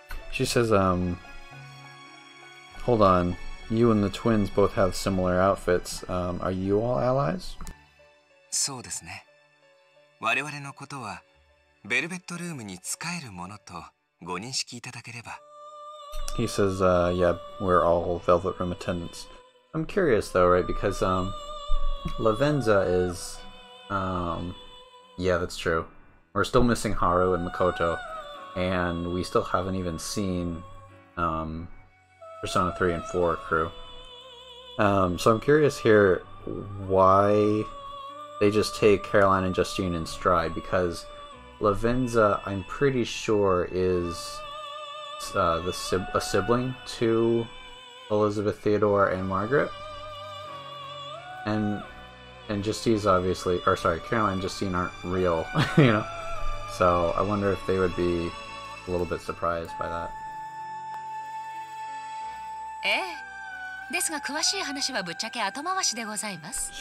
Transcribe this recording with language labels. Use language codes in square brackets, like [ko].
[en] She says, hold on. You and the twins both have similar outfits. Are you all allies? [ja] そうですね。我々のことは、ベルベットルームに使えるものとご認識いただければ。 [en] He says, yeah, we're all Velvet Room attendants. I'm curious though, right? Because, Lavenza is, yeah, that's true. We're still missing Haru and Makoto, and we still haven't even seen, Persona 3 and 4 crew. So I'm curious here why they just take Caroline and Justine in stride, because Lavenza, I'm pretty sure, is... a sibling to Elizabeth Theodore and Margaret, and Justine's obviously, or sorry, Caroline and Justine aren't real, you know. So I wonder if they would be a little bit surprised by that. [ja] Eh, ですが詳しい話はぶっちゃけ後回しでございます。